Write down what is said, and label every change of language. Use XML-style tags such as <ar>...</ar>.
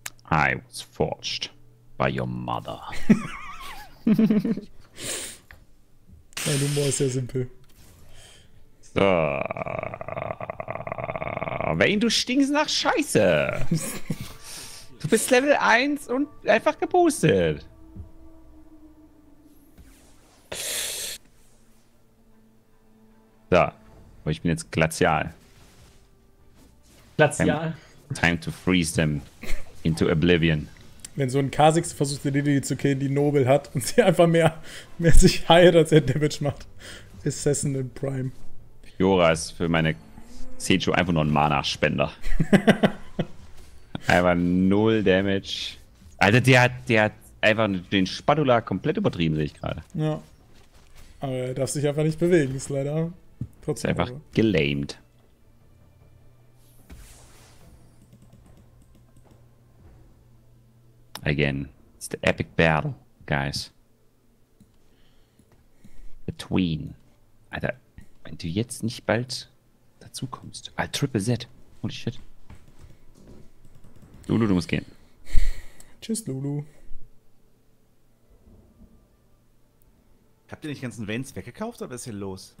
<en>I was forged by your mother.</en> <de>Mein Humor ist sehr simpel. So. Vayne, du stinkst nach Scheiße. Du bist Level 1 und einfach geboostet. So, ich bin jetzt glazial. Glazial?</de> <en>Time to freeze them into oblivion.</en> <de>Wenn so ein Kha'Zix versucht, eine Lilith zu killen, die Noble hat und sie einfach mehr sich heilt, als er Damage macht.</de> <en>Assassin in Prime.</en> <de>Fiora ist für meine Sechu einfach nur ein Mana-Spender. Einmal null Damage. Alter, der hat einfach den Spatula komplett übertrieben, sehe ich gerade. Ja. Aber er darf sich einfach nicht bewegen, ist leider. Trotzdem. Ist einfach gelamed.</de> <en>Again. It's the epic battle, guys. Between.</en> <de>Alter, wenn du jetzt nicht bald dazukommst. Alter, Triple Z. Holy shit. Lulu, du musst gehen. Tschüss, Lulu. Habt ihr nicht ganzen Vans weggekauft, oder was ist hier los?</de>